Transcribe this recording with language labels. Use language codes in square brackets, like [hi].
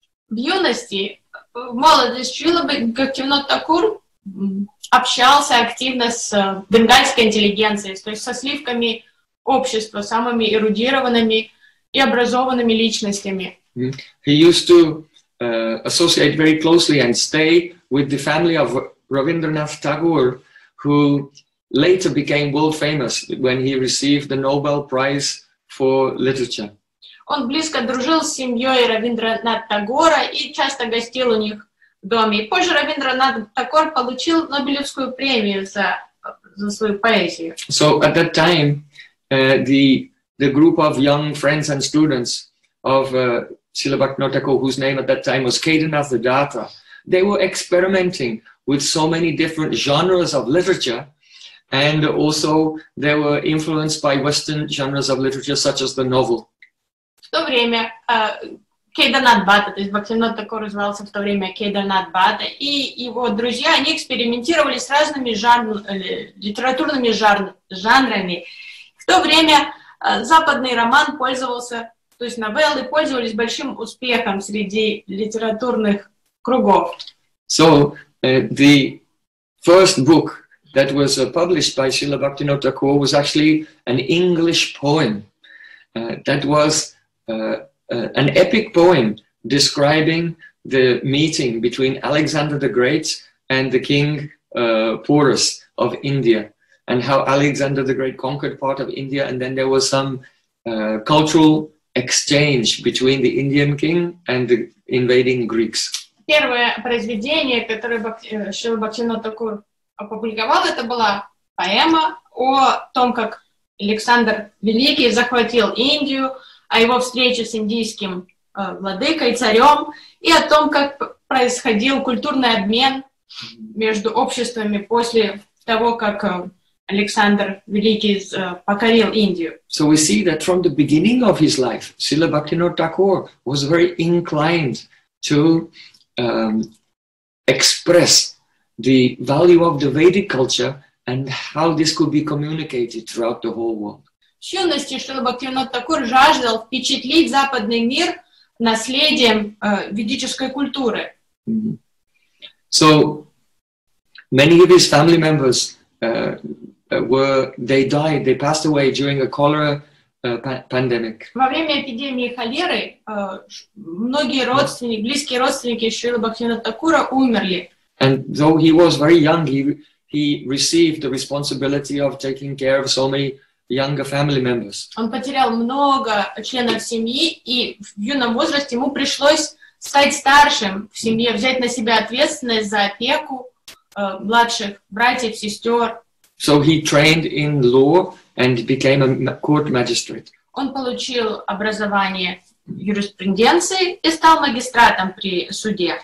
[ru] В юности, в молодости, Шрила Бхактивинода Такур общался активно с бенгальской интеллигенцией, то есть со сливками общества, самыми эрудированными и образованными личностями. [en] He used to associate very closely and stay with the family of Rabindranath Tagore, who later became world famous when he received the Nobel Prize for Literature. [ru] Он близко дружил с семьей Рабиндранат Тагора и часто гостил у них в доме. Позже Рабиндранат Тагор получил Нобелевскую премию за свою поэзию. [en] So at that time, the group of young friends and students of Srila Bhaktivinoda Thakur, whose name at that time was Chaitanya, they were experimenting with so many different genres of literature, and also they were influenced by Western genres of literature, such as the novel. [ru] В то время Кейданатбата, то есть Бхактивинода Такур назывался в то время Кейданатбата, и его друзья, они экспериментировали с разными литературными жанрами. В то время западный роман пользовался, то есть новеллы пользовались большим успехом среди литературных кругов. [en] So, the first book that was published by Srila Bhaktivinoda Thakur was actually an English poem. That was an epic poem describing the meeting between Alexander the Great and the king Porus of India, and how Alexander the Great conquered part of India, and then there was some cultural exchange between the Indian king and the invading Greeks. [ru] Первое произведение, которое Шрила Бхактивинода Такур опубликовал, это была поэма о том, как Александр Великий захватил Индию, о его встрече с индийским владыкой, царем, и о том, как происходил культурный обмен между обществами после того, как Александр Великий покорил Индию. [en] So we see that from the beginning of his life, Srila Bhaktivinoda Thakur was very inclined to express the value of the Vedic culture and how this could be communicated throughout the whole world. [ru] С юности Шрила Бхактивинода Такур жаждал впечатлить западный мир наследием ведической культуры. [en] So many of his family members they passed away during a cholera pandemic. [ru] Во время эпидемии холеры многие близкие родственники Шрилы Бхактивинода Такура умерли. [en] And though he was very young, he he received the responsibility of taking care of so many younger family members. [ru] Он потерял много членов семьи, и в юном возрасте ему пришлось стать старшим в семье, взять на себя ответственность за опеку младших братьев, сестер. [en] So he trained in law and became a court magistrate. [ru] Он получил образование юриспруденции и стал магистратом при суде.